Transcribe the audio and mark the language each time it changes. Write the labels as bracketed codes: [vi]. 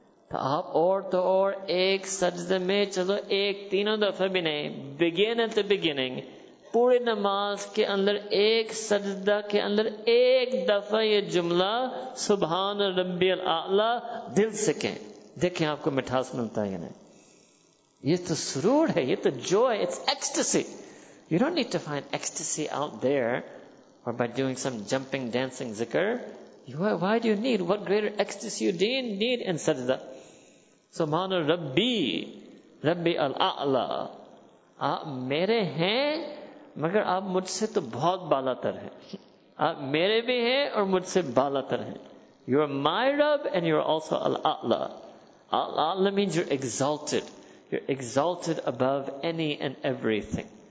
[ur] تو آپ اور تو اور ایک سجدے میں چلو ایک تینوں دفعہ بھی نہیں, بگیننگ تو بگیننگ, پوری نماز کے اندر ایک سجدہ کے اندر ایک دفعہ یہ جملہ [ar] سبحان ربی الاعلی [ur] دل سے کہیں, دیکھیں آپ کو مٹھاس ملتا ہے یا نہیں. یہ تو سرور ہے, یہ تو جو ہے, [en] It's ecstasy. You don't need to find ecstasy out there اور by doing some jumping dancing ذکر. Why do you need? What greater ecstasy you didn't need in sajda? [ar] سبحان ربی, ربی الاعلی. [ur] آپ میرے ہیں مگر آپ مجھ سے تو بہت بالا تر ہیں. آپ میرے بھی ہیں اور مجھ سے بالا تر ہیں. [en] You are my رب and you are also الاعلی. الاعلی means you exalted, you are exalted above any and everything.